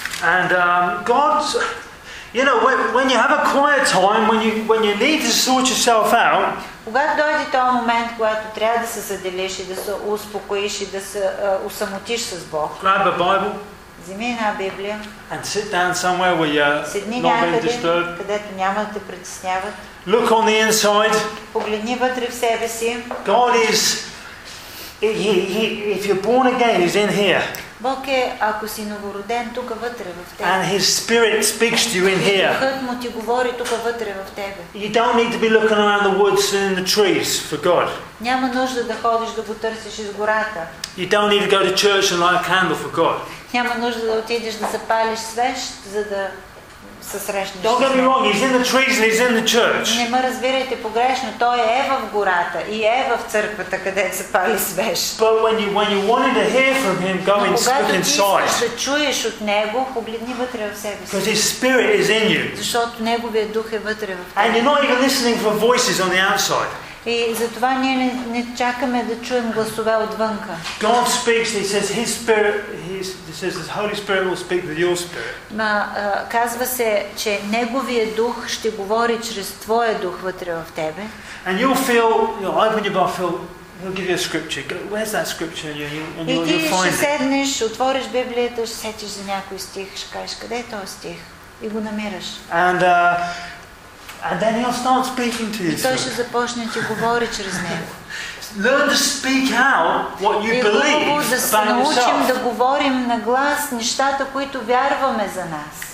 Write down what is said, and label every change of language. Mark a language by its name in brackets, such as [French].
[English] And God's, you know, when you have a quiet time, when you need to sort yourself out, [Bulgarian] когато дойде този момент, когато трябва да се заделиш и да се успокоиш и да се усамотиш с Бог. [English] Grab a Bible. [Bulgarian] Вземи една Библия. [English] And sit down somewhere where you're not being disturbed. [Bulgarian] Седни някъде, където няма да те притесняват. [English] Look on the inside. [Bulgarian] Погледни вътре в себе си. [English] God is, he, if you're born again, he's in here. [Bulgarian] Бог е, ако си новороден, тук вътре в тебе. [English] And His Spirit speaks to you in here. [Bulgarian] Духът му ти говори тук вътре в тебе. [English] You don't need to be looking around the woods and in the trees for God. [Bulgarian] Няма нужда да ходиш да го търсиш из гората. [English] You don't need to go to church and light a candle for God. [Bulgarian] Няма нужда да отидеш да запалиш свещ, за да се срещнеш. [English] Don't get me wrong, He's in the trees and He's in the church. [Bulgarian] Не ме разбирайте погрешно, Той е в гората и е в църквата, където се пали свещ. [English] But when you wanted to hear from Him, go and look inside. [Bulgarian] Когато искаш да чуеш от Него, погледни вътре в себе си. [English] Because His Spirit is in you. [Bulgarian] Защото Неговият Дух е вътре в теб. [English] And you're not even listening for voices on the outside. [Bulgarian] И затова ние не чакаме да чуем гласове отвънка. [English] God speaks, He says His Spirit, He says the Holy Spirit will speak with your spirit. [Bulgarian] Но казва се, че Неговият Дух ще говори чрез твоя дух вътре в тебе. [English] And you'll feel, you know, open your Bible, He'll give you a scripture. Where's that scripture? You'll find it. [Bulgarian] И ти ще седнеш, отвориш Библията, ще сетиш за някой стих, ще кажеш къде е този стих и го намираш. [English] And then he'll start speaking to you. [Bulgarian] Той ще започне да говори чрез него. [English] Learn to speak out what you believe about yourself. [Bulgarian] И хубаво да се научим да говорим на глас нещата, които вярваме за нас.